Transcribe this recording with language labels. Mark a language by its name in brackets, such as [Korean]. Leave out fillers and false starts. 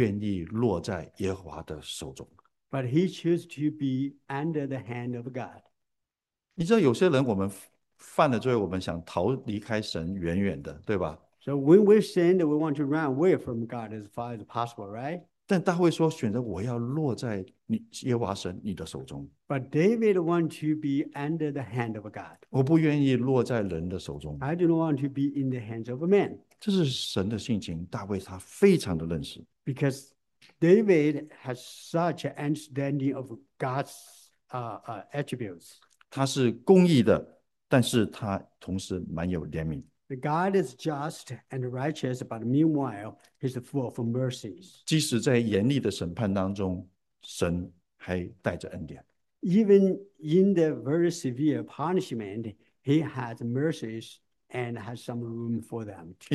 [Chinese] 他选择说：“我愿意落在耶和华的手中。” [English] But he chose to be under the hand of God. [Chinese] 你知道，有些人我们犯了罪，我们想逃离开神，远远的，对吧？ [English] So when we sin, we want to run away from God as far as possible, right? [Chinese] 但大卫说：“选择我要落在你耶和华神你的手中。” [English] But David wants to be under the hand of God. [Chinese] 我不愿意落在人的手中。 [English] I don't want to be in the hands of men. [Chinese] 这是神的性情, 大卫他非常的认识。 [English] Because David has such an understanding of God's attributes. [Chinese] 他是公义的, 但是他同时蛮有怜悯。 [English] God is just and righteous, but meanwhile, he's full of mercies. [Chinese] 即使在严厉的审判当中, 神还带着恩典。 [English] Even in the very severe punishment, he has mercies and has some room for them too.